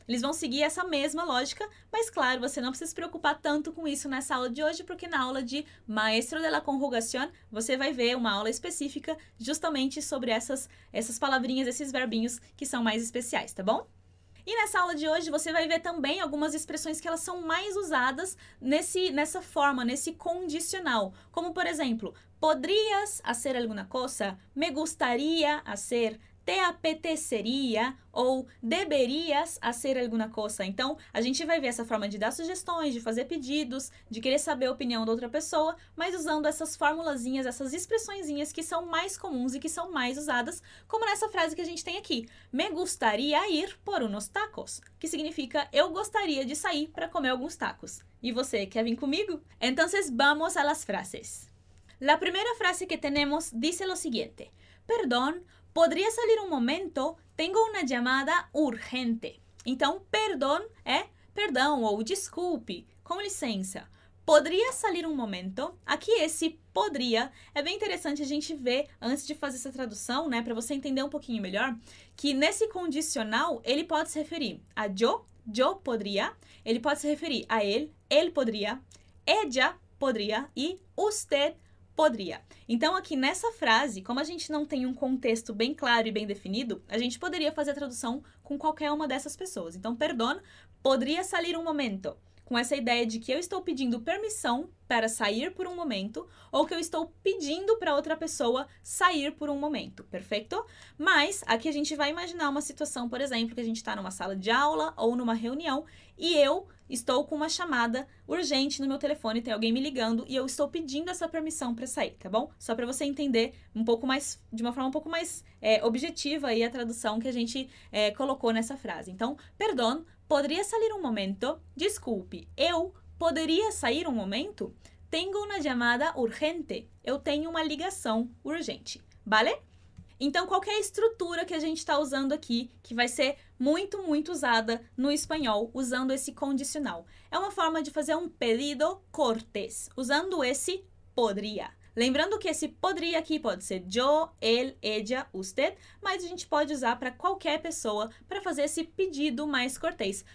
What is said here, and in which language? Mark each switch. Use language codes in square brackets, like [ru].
[pt] Eles vão seguir essa mesma lógica, mas claro, você não precisa se preocupar tanto com isso nessa aula de hoje, porque na aula de Maestro de la Conjugación, você vai ver uma aula específica justamente sobre essas palavrinhas, esses verbinhos que são mais especiais, tá bom? E nessa aula de hoje, você vai ver também algumas expressões que elas são mais usadas nessa forma, nesse condicional. Como, por exemplo, [es] podrías hacer alguna cosa, me gustaría hacer, te apetecería, [pt] ou [es] deberías hacer alguna cosa. [pt] Então, a gente vai ver essa forma de dar sugestões, de fazer pedidos, de querer saber a opinião da outra pessoa, mas usando essas formulazinhas, essas expressõezinhas que são mais comuns e que são mais usadas, como nessa frase que a gente tem aqui. [es] Me gustaría ir por unos tacos, [pt] que significa eu gostaria de sair para comer alguns tacos. E você, quer vir comigo? Então, [es] vamos a las frases. La primera frase que tenemos dice lo siguiente. Perdón, ¿podría salir un momento? Tengo una llamada urgente. [pt] Então, perdón é perdão ou desculpe, com licença. [es] ¿Podría salir un momento? [pt] Aqui esse podría é bem interessante a gente ver antes de fazer essa tradução, né, para você entender um pouquinho melhor, que nesse condicional ele pode se referir a [es] yo podría, [pt] ele pode se referir a [es] él podría, ella podría [pt] e usted poderia. Então, aqui nessa frase, como a gente não tem um contexto bem claro e bem definido, a gente poderia fazer a tradução com qualquer uma dessas pessoas. Então, [es] perdón, podría salir un momento. [pt] Com essa ideia de que eu estou pedindo permissão para sair por um momento, ou que eu estou pedindo para outra pessoa sair por um momento, perfeito? Mas aqui a gente vai imaginar uma situação, por exemplo, que a gente está numa sala de aula ou numa reunião e eu estou com uma chamada urgente no meu telefone, tem alguém me ligando e eu estou pedindo essa permissão para sair, tá bom? Só para você entender um pouco mais, de uma forma um pouco mais objetiva aí a tradução que a gente colocou nessa frase. [es] Então, perdón, ¿podría salir un momento? Disculpe, [pt] ¿eu poderia sair [es] un momento? Tengo una llamada urgente. [pt] Eu tenho uma ligação urgente. Vale? Então, qual que é a estrutura que a gente está usando aqui, que vai ser muito, muito usada no espanhol, usando esse condicional? É uma forma de fazer um pedido cortés, usando esse podría. Lembrando que esse poderia aqui pode ser yo, él, ella, usted, mas a gente pode usar para qualquer pessoa para fazer esse pedido mais cortês.